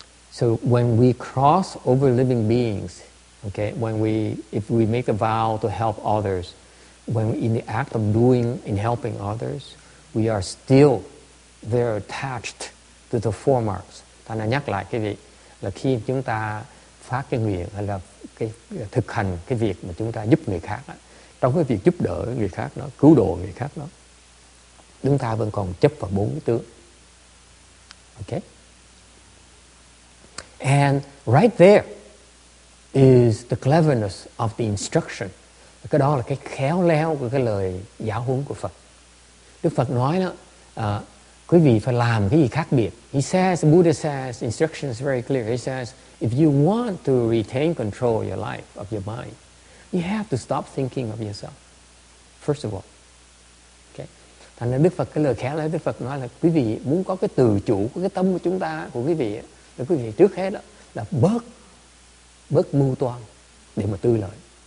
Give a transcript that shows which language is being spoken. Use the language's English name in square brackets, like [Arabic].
[English] So when we cross over living beings, okay, if we make a vow to help others, when in the act of doing, in helping others, we are still there attached to the four marks. [Vietnamese] Ta đã nhắc lại cái việc là khi chúng ta phát cái nguyện hay là cái thực hành cái việc mà chúng ta giúp người khác, trong cái việc giúp đỡ người khác đó, cứu độ người khác đó, chúng ta vẫn còn chấp vào bốn cái tướng. [English] Okay. And right there is the cleverness of the instruction. [Vietnamese] Cái đó là cái khéo léo của cái lời giáo huấn của Phật. Đức Phật nói đó, quý vị phải làm cái gì khác biệt. [English] He says, Buddha says, instruction is very clear. He says, if you want to retain control of your life, of your mind, you have to stop thinking of yourself, first of all. Okay. [Vietnamese] Thành ra Đức Phật, cái lời khéo léo Đức Phật nói là quý vị muốn có cái tự chủ của cái tâm của chúng ta, của quý vị á, thì quý vị trước hết đó là bớt mưu toan để mà tư lợi.